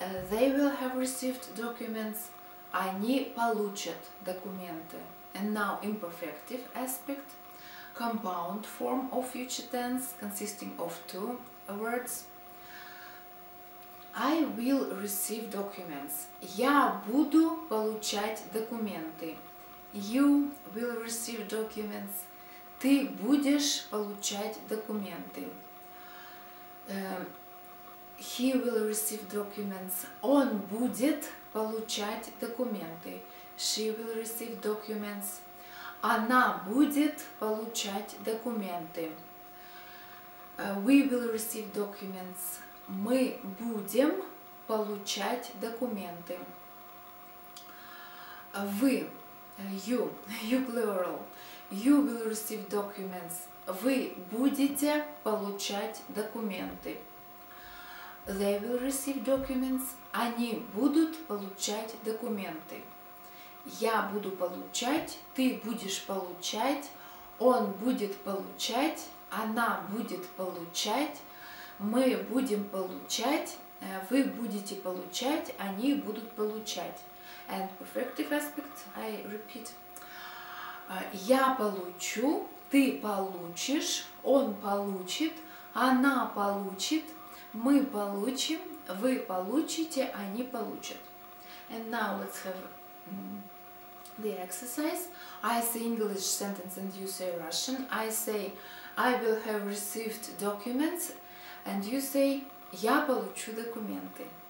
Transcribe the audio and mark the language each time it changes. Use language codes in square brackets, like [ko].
[en] They will have received documents. [ru] Они получат документы. [en] And now imperfective aspect. Compound form of future tense consisting of two words. I will receive documents. [ru] Я буду получать документы. [en] You will receive documents. [ru] Ты будешь получать документы. [en] He will receive documents. [ru] Он будет получать документы. [en] She will receive documents. [ru] Она будет получать документы. [en] We will receive documents. [ru] Мы будем получать документы. Вы, [en] you plural, you will receive documents. [ru] Вы будете получать документы. [en] They will receive documents. [ru] Они будут получать документы. Я буду получать, ты будешь получать, он будет получать, она будет получать, мы будем получать, вы будете получать, они будут получать. [en] And perfective aspect, I repeat. [ru] Я получу. Ты получишь, он получит, она получит, мы получим, вы получите, они получат. [en] And now let's have the exercise. I say English sentence and you say Russian. I say, I will have received documents. And you say, [ru] я получу документы.